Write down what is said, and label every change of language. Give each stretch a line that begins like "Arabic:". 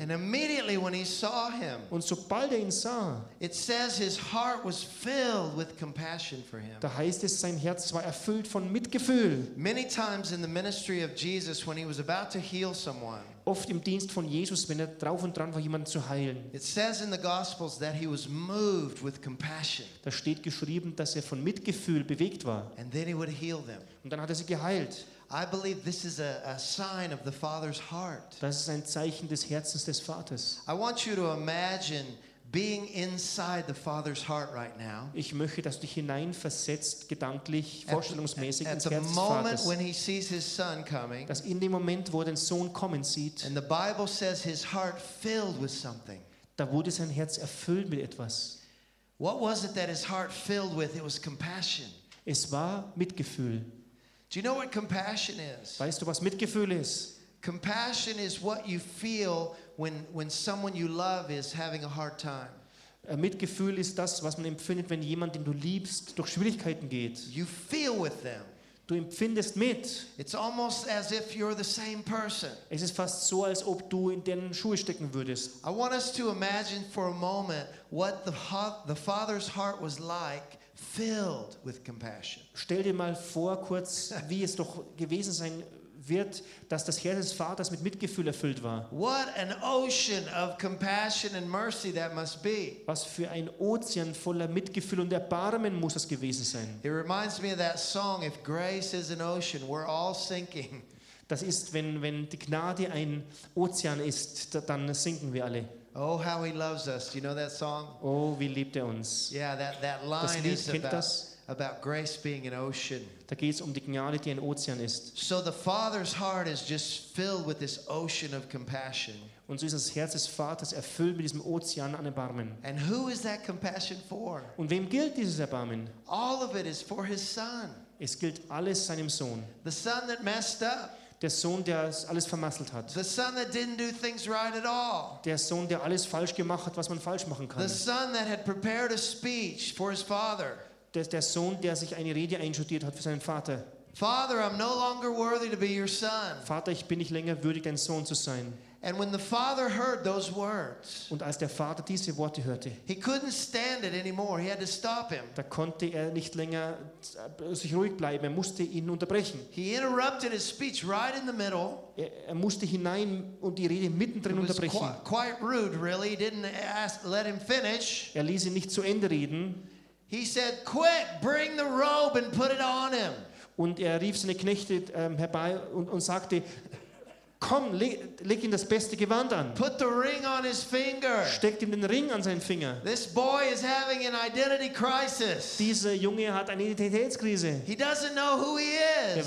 English: And immediately when he saw him,
German: und sobald er ihn sah,
English: it says his heart was filled with compassion for him.
German: Da heißt es, sein Herz war erfüllt von Mitgefühl.
English: Many times in the ministry of Jesus, when he was about to heal someone,
German: oft im Dienst von Jesus, wenn er drauf und dran war, jemanden zu heilen,
English: it says in the Gospels that he was moved with compassion.
German: Da steht geschrieben, dass er von Mitgefühl bewegt war.
English: And then he would heal them.
German: Und dann hat er sie geheilt.
English: I believe this is a sign of the Father's heart.
German: Das ist ein Zeichen des Herzens des Vaters.
English: I want you to imagine being inside the Father's heart right now.
German: Ich möchte, dass du dich hineinversetzt, gedanklich, vorstellungsmäßig ins Herz des Vaters.
English: At the moment when he sees his son coming.
German: Dass in dem Moment, wo er den Sohn kommen sieht.
English: And the Bible says his heart filled with something.
German: Da wurde sein Herz erfüllt mit etwas.
English: What was it that his heart filled with? It was compassion.
German: Es war Mitgefühl.
English: Do you know what compassion is?
German: Weißt du, was Mitgefühl ist?
English: Compassion is what you feel when someone you love is having a hard time.
German: Mitgefühl ist das, was man empfindet, wenn jemand, den du liebst, durch Schwierigkeiten geht.
English: You feel with them.
German: Du empfindest mit.
English: It's almost as if you're the same person.
German: Es ist fast so, als ob du in deren Schuhe stecken würdest.
English: I want us to imagine for a moment what the father's heart was like. Filled with compassion.
German: Stell dir mal vor, kurz, wie es doch gewesen sein wird, dass das Herz des Vaters mit Mitgefühl erfüllt war.
English: What an ocean of compassion and mercy that must be.
German: Was für ein Ozean voller Mitgefühl und Erbarmen muss das gewesen sein.
English: It reminds me of that song, if grace is an ocean, we're all sinking.
German: Das ist, wenn die Gnade ein Ozean ist, dann sinken wir alle.
English: Oh, how he loves us. Do you know that song?
German: Oh, wie liebt er uns.
English: Yeah, that line
German: das Lied
English: is
German: kennt
English: about,
German: das?
English: about grace being an ocean.
German: Da geht's um die Gnade, die ein Ozean ist.
English: So the Father's heart is just filled with this ocean of compassion.
German: Und so ist das Herz des Vaters erfüllt mit diesem Ozean an Erbarmen.
English: And who is that compassion for?
German: Und wem gilt dieses Erbarmen?
English: All of it is for his son.
German: Es gilt alles seinem Sohn.
English: The son that messed up.
German: Der Sohn, der alles vermasselt hat.
English: The son that didn't do things right at all.
German: Der Sohn, der alles falsch gemacht hat, was man falsch machen kann.
English: The son that had prepared a speech for his father.
German: Der Sohn, der sich eine Rede einstudiert hat für seinen Vater.
English: Father, I'm no longer worthy to be your son.
German: Vater, ich bin nicht länger würdig, dein Sohn zu sein.
English: And when the father heard those words,
German: und als der Vater diese Worte hörte,
English: he couldn't stand it anymore. He had to stop him.
German: Da konnte er nicht länger sich ruhig bleiben. Er musste ihn unterbrechen.
English: He interrupted his speech right in the middle.
German: Er musste hinein und die Rede mittendrin unterbrechen.
English: It was quite rude, really. He didn't ask, let him finish.
German: Er ließ ihn nicht zu Ende reden.
English: He said, "Quick, bring the robe and put it on him."
German: Und er rief seine Knechte herbei und sagte, komm, leg ihm das beste Gewand an.
English: Put the ring on his finger.
German: Steckt ihm den Ring an seinen Finger.
English: This boy is having an identity crisis.
German: Dieser Junge hat eine Identitätskrise.
English: He doesn't know who he is.